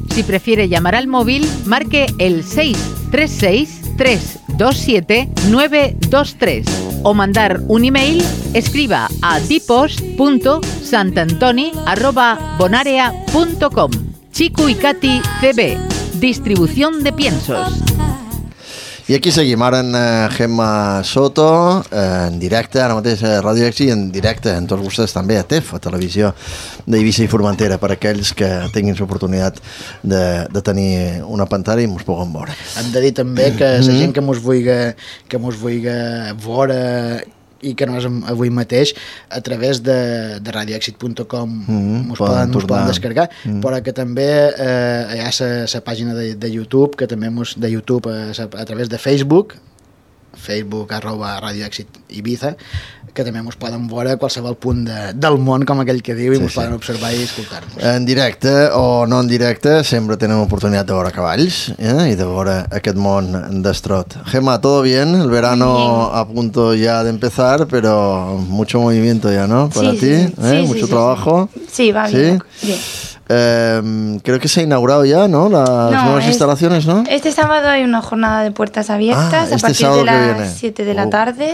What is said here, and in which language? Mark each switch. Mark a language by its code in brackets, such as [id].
[es] Si prefiere llamar al móvil, marque el 636-327-923. O mandar un email, escriba a dipost.santantoni@bonarea.com. Chico y Katy CB. Distribución de piensos. [ca] I aquí seguim, ara en Gemma Soto, en directe, ara mateix a Ràdio Èxit, i en directe, en tots vostès també, a TEF, a Televisió d'Eivissa i Formentera, per aquells que tinguin l'oportunitat de tenir una pantalla i mos puguen veure. Hem de dir també que la gent que mos vulgui veure i que no és avui mateix, a través de radioexit.com us poden descargar, però que també hi ha la pàgina de YouTube, que també de YouTube a través de Facebook@radioexit Eivissa, que també mos poden veure a qualsevol punt del món, com aquell que diu, i mos poden observar i escoltar-nos. En directe o no en directe, sempre tenim oportunitat de veure cavalls i de veure aquest món destrot. [es] Gemma, ¿todo bien? El verano a punto ya de empezar, pero mucho movimiento ya, ¿no? Para sí, ti, sí, mucho trabajo. Sí, va bien. ¿Sí? Creo que se ha inaugurado ya, ¿no? Las nuevas instalaciones, ¿no? Este sábado hay una jornada de puertas abiertas a partir de las 7 de la tarde.